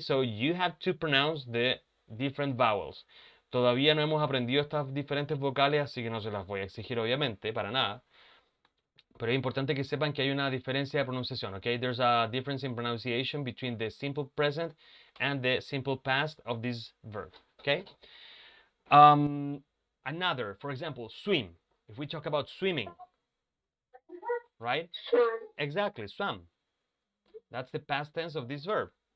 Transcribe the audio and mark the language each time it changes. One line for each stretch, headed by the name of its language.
English: So you have to pronounce the different vowels.
Spanish: Todavía no hemos aprendido estas diferentes vocales, así que no se las voy a exigir, obviamente, para nada. Pero es importante que sepan que hay una diferencia de pronunciación, okay?
English: There's a difference in pronunciation between the simple present and the simple past of this verb, okay? Another, for example, swim. If we talk about swimming, right? Swim. Exactly, swam. That's the past tense of this verb.